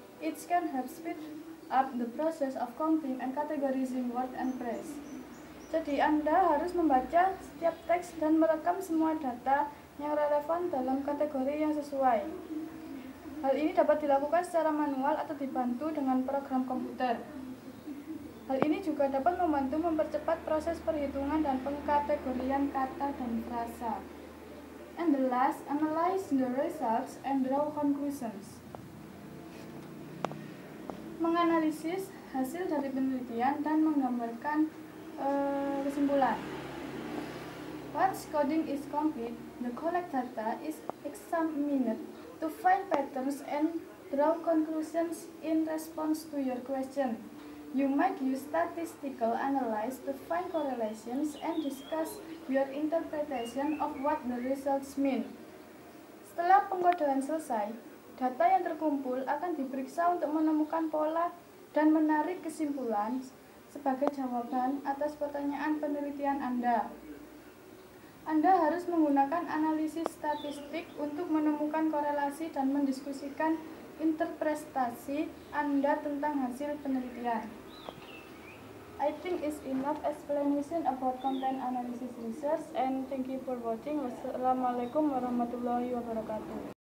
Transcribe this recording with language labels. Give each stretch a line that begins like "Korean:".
English: It can help speed up the process of counting and categorizing word and phrase.
Indonesian: Jadi, Anda harus membaca setiap teks dan merekam semua data yang relevan dalam kategori yang sesuai. Hal ini dapat dilakukan secara manual atau dibantu dengan program komputer. Hal ini juga dapat membantu mempercepat proses perhitungan dan pengkategorian kata dan frasa.
English: And the last, analyze the results and draw conclusions.
Indonesian: Menganalisis hasil dari penelitian dan menggambarkan kesimpulan.
English: Once coding is complete, the collect data is examined to find patterns and draw conclusions in response to your question. You might use statistical analysis to find correlations and discuss your interpretation of what the results mean.
Indonesian: Setelah pengkodean selesai, data yang terkumpul akan diperiksa untuk menemukan pola dan menarik kesimpulan sebagai jawaban atas pertanyaan penelitian Anda. Anda harus menggunakan analisis statistik untuk menemukan korelasi dan mendiskusikan interpretasi Anda tentang hasil penelitian.
English: I think it's enough explanation about content analysis research and thank you for watching.
Arabic: Wassalamualaikum warahmatullahi wabarakatuh.